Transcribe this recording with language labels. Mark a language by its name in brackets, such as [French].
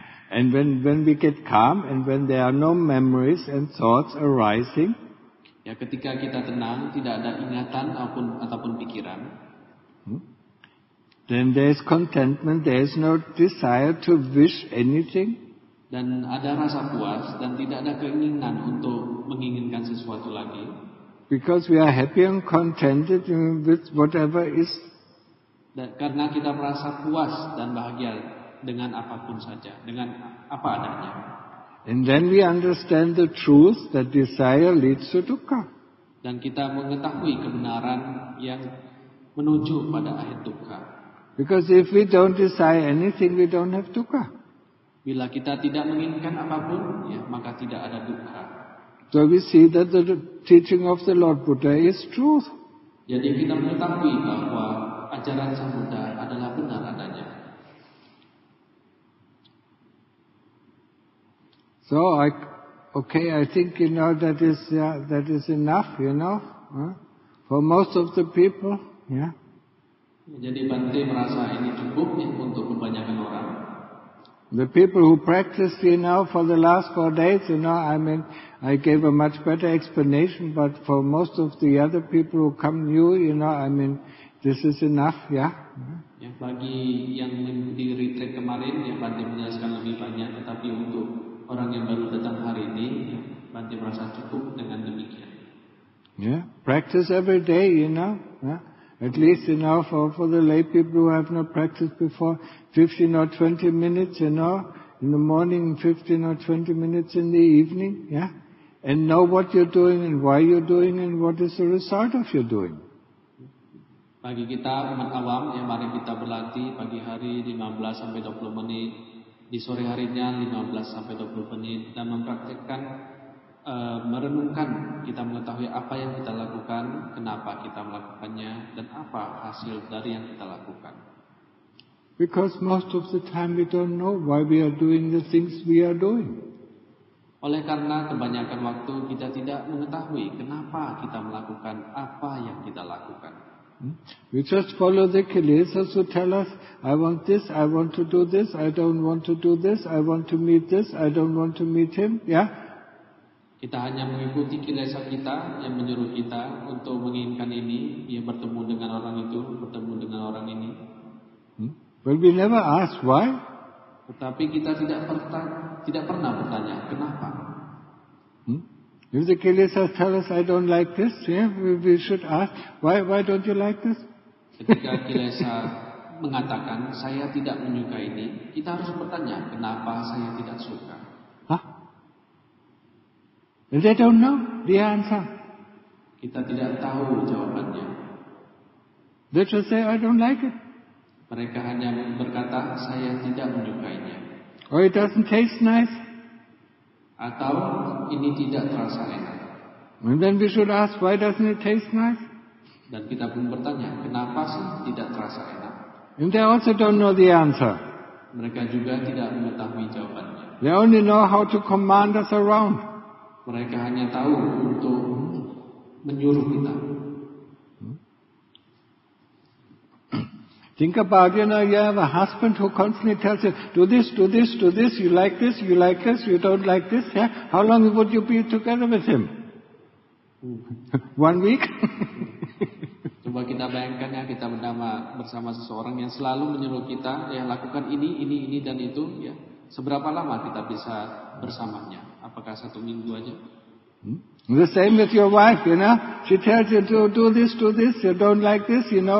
[English] And when we get calm, and when there are no memories and thoughts arising, [Indonesian] ya, ketika kita tenang, tidak ada ingatan ataupun pikiran, [English] then there is contentment, there is no desire to wish anything. [Indonesian] Dan ada rasa puas, dan tidak ada keinginan untuk menginginkan sesuatu lagi. [English] Because we are happy and contented with whatever is. [Indonesian] Dan karena kita merasa puas dan bahagia dengan apapun saja, dengan apa adanya. [English] And then we understand the truth that desire leads to dukkha. [Indonesian] Dan kita mengetahui kebenaran yang menuju pada akhir dukkha. [English] Because if we don't desire anything, we don't have dukkha. [Indonesian] Bila kita tidak menginginkan apapun, ya, maka tidak ada dukkha. [English] So we see that the teaching of the Lord Buddha is truth. [Indonesian] Jadi kita mengetahui bahwa ajaran Sang Buddha adalah benar adanya. [English] So I think you know that is enough, you know, for most of the people, yeah. [Indonesian] Jadi Bante merasa ini cukup ya, untuk kebanyakan orang. [English] The people who practice, you know, for the last 4 days, you know, I mean, I gave a much better explanation, but for most of the other people who come new, you know, I mean, this is enough, yeah. [Indonesian] Ya, bagi yang di retreat kemarin, ya, Bante menjelaskan lebih banyak, tetapi untuk orang yang baru datang hari ini, ya, Bante merasa cukup dengan demikian. [English] Yeah, practice every day, you know, yeah. At least, you know, for the lay people who have not practiced before, 15 or 20 minutes, you know, in the morning, 15 or 20 minutes in the evening, yeah? And know what you're doing and why you're doing and what is the result of your doing. [Indonesian] Bagi kita, umat awam, ya, mari kita berlatih pagi hari 15 sampai 20 menit, di sore harinya 15 sampai 20 menit, dan mempraktikkan, merenungkan, kita mengetahui apa yang kita lakukan, kenapa kita melakukannya, dan apa hasil dari yang kita lakukan. [English] Because most of the time we don't know why we are doing the things we are doing. [Indonesian] Oleh karena kebanyakan waktu kita tidak mengetahui kenapa kita melakukan apa yang kita lakukan. [English] We just follow the kilesas who tell us, I want this, I want to do this, I don't want to do this, I want to meet this, I don't want to meet him, yeah? [Indonesian] Kita hanya mengikuti kilesa kita yang menyuruh kita untuk menginginkan ini, ya, bertemu dengan orang itu, bertemu dengan orang ini. [English] But we never ask why. [Indonesian] Tetapi kita tidak pernah bertanya kenapa. [English] If the kilesa tell us I don't like this, yeah, we should ask why don't you like this? [Indonesian] Ketika kilesa mengatakan saya tidak menyukai ini, kita harus bertanya kenapa saya tidak suka. [English] And they don't know the answer. [Indonesian] Kita tidak tahu jawabannya. [English] They just say, I don't like it. [Indonesian] Mereka hanya berkata, saya tidak menyukainya. [English] Or it doesn't taste nice. [Indonesian] Atau ini tidak terasa enak. [English] And then we should ask, why doesn't it taste nice? [Indonesian] Dan kita pun bertanya, kenapa sih tidak terasa enak? [English] And they also don't know the answer. [Indonesian] Mereka juga tidak mengetahui jawabannya. [English] They only know how to command us around. [Indonesian] Mereka hanya tahu untuk menyuruh kita. [English] Think about, you know, you have a husband who constantly tells you, do this, do this, do this, you like this, you like this, you don't like this, yeah? How long would you be together with him? 1 week? [Indonesian] Coba kita bayangkan ya, kita bersama seseorang yang selalu menyuruh kita, ya, lakukan ini, dan itu, ya. Seberapa lama kita bisa bersamanya? Apakah 1 minggu aja? [English] The same with your wife, you know. She tells you to do this, do this. You don't like this, you know.